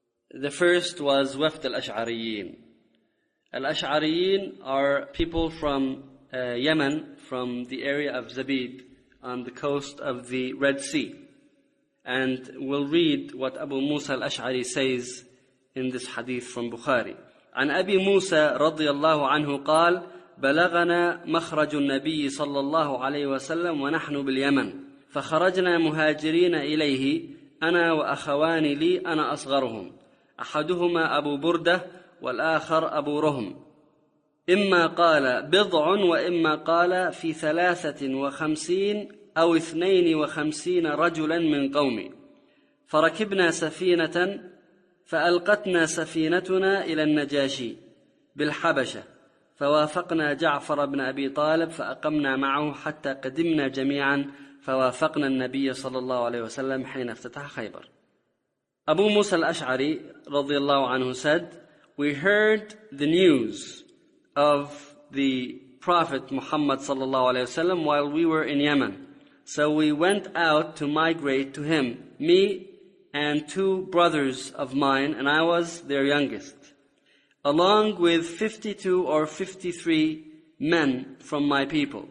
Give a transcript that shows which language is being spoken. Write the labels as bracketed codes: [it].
[en] The first was Wafd al-Ash'ariyin. Al-Ash'ariyin are people from Yemen, from the area of Zabid, on the coast of the Red Sea. And we'll read what Abu Musa al-Ash'ari says in this hadith from Bukhari. [ar] عن أبي موسى رضي الله عنه قال بلغنا مخرج النبي صلى الله عليه وسلم ونحن باليمن فخرجنا مهاجرين إليه أنا وأخواني لي أنا أصغرهم أحدهما أبو بردة والآخر أبو رهم إما قال بضع وإما قال في 53 أو 52 رجلا من قومي فركبنا سفينة فألقتنا سفينتنا إلى النجاشي بالحبشة فوافقنا جعفر بن أبي طالب فأقمنا معه حتى قدمنا جميعا فوافقنا النبي صلى الله عليه وسلم حين افتتح خيبر. [en] Abu Musa al-Ash'ari radiallahu anhu said, we heard the news of the Prophet Muhammad sallallahu alayhi wasallam while we were in Yemen. So we went out to migrate to him, me and two brothers of mine, and I was their youngest, along with 52 or 53 men from my people.